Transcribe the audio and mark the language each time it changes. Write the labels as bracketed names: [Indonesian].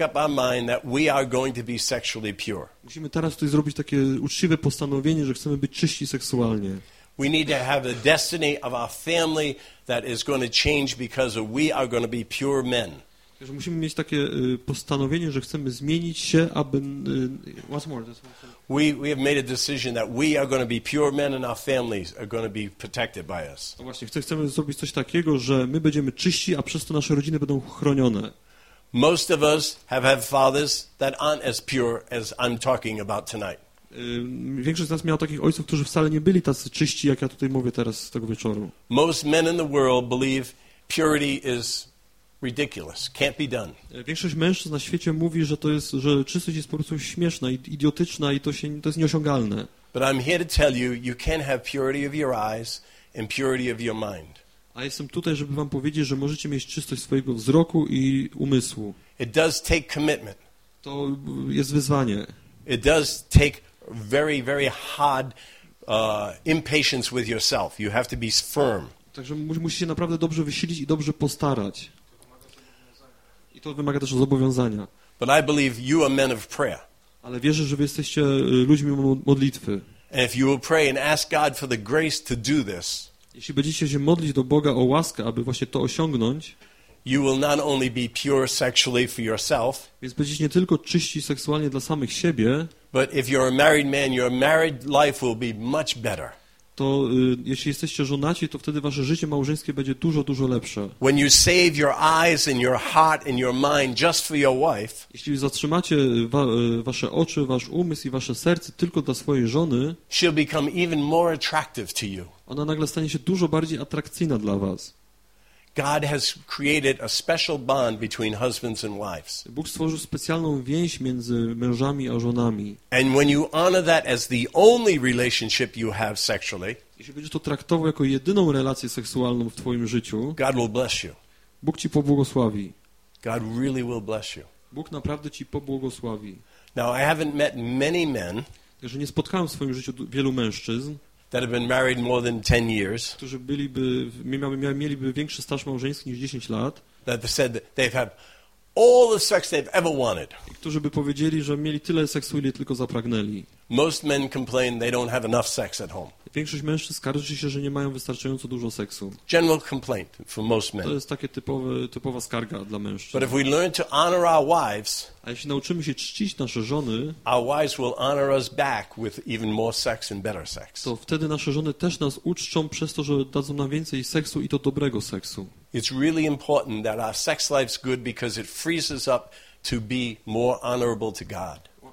[English] up our mind that we are going to be sexually pure. [Polish] Musimy teraz tutaj zrobić takie uczciwe postanowienie, że chcemy być czyści seksualnie. [English] We need to have a destiny of our family that is going to change because we are going to be pure men. [Polish] Że musimy mieć takie postanowienie, że chcemy zmienić się, aby [English] what's more? We have made a decision that we are going to be pure men and our families are going to be protected by us. [Polish] No właśnie, chcemy zrobić coś takiego, że my będziemy czyści, a przez to nasze rodziny będą chronione. [English] Most of us have had fathers that aren't as pure as I'm talking about tonight. [Polish] Większość z nas miała takich ojców, którzy wcale nie byli tacy czyści, jak ja tutaj mówię teraz z tego wieczoru. [English] Most men in the world believe purity is ridiculous, can't be done. [Polish] Większość mężczyzn na świecie mówi, że czystość jest po prostu śmieszna, idiotyczna i to jest nieosiągalne. [English] But I'm here to tell you, you can have purity of your eyes and purity of your mind. [Polish] A jestem tutaj, żeby wam powiedzieć, że możecie mieć czystość swojego wzroku i umysłu. [English] It does take commitment. [Polish] To jest wyzwanie. [English] It does take very, very hard impatience with yourself. You have to be firm. [Polish] Także musisz się naprawdę dobrze wysilić i dobrze postarać. I to wymaga też zobowiązania. [English] But I believe you are men of prayer. [Polish] Ale wierzę, że wy jesteście ludźmi modlitwy. [English] And if you will pray and ask God for the grace to do this, [Polish] jeśli będziecie się modlić do Boga o łaskę, aby właśnie to osiągnąć, [English] you will not only be pure sexually for yourself, [Polish] więc będziecie nie tylko czyści seksualnie dla samych siebie, [English] but if you're a married man, your married life will be much better. [Polish] To jeśli jesteście żonaci, to wtedy wasze życie małżeńskie będzie dużo, dużo lepsze. [English] When you save your eyes and your heart and your mind just for your wife, [Polish] jeśli zatrzymacie wasze oczy, wasz umysł i wasze serce tylko dla swojej żony, [English] she'll become even more attractive to you. [Polish] Ona nagle stanie się dużo bardziej atrakcyjna dla was. [English] God has created a special bond between husbands and wives. [Polish] Bóg stworzył specjalną więź między mężami a żonami. [English] And when you honor that as the only relationship you have sexually, [Polish] jeśli będziesz to traktował jako jedyną relację seksualną w twoim życiu, [English] God will bless you. [Polish] Bóg ci pobłogosławi. [English] God really will bless you. [Polish] Bóg naprawdę ci pobłogosławi. [English] Now I haven't met many men, [Polish] że nie spotkałem w swoim życiu wielu mężczyzn, [English] that have been married more than 10 years, [Polish] którzy byliby, mieliby większy staż małżeński niż 10 lat, [English] that said they've had all the sex they've ever wanted, [Polish] którzy by powiedzieli, że mieli tyle seksu, ile tylko zapragnęli. [English] Most men complain they don't have enough sex at home. [Polish] Większość mężczyzn skarży się, że nie mają wystarczająco dużo seksu. [English] General complaint for most men. [Polish] To jest takie typowa skarga dla mężczyzn. [English] But if we learn to honor our wives, [Polish] a jeśli nauczymy się czcić nasze żony, [English] our wives will honor us back with even more sex and better sex. [Polish] To wtedy nasze żony też nas uczczą przez to, że dadzą nam więcej seksu i to dobrego seksu. [English] It's really important that our sex life's good because it frees us up to be more honorable to God.